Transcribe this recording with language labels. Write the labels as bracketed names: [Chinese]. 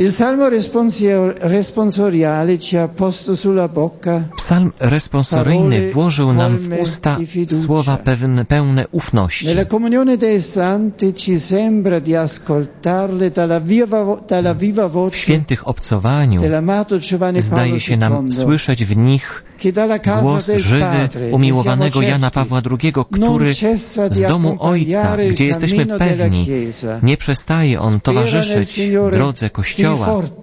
[Italian] il salmo responsoriale ci ha posto sulla bocca, [Polish] psalm responsoryjny włożył nam w usta słowa pełne ufności. [Italian] Nella comunione dei santi ci sembra di ascoltarle dalla viva voce. [Polish] W świętych obcowaniu zdaje się nam słyszeć w nich głos żywy umiłowanego Jana Pawła II, który z domu Ojca, gdzie jesteśmy pewni, nie przestaje On towarzyszyć drodze Kościoła.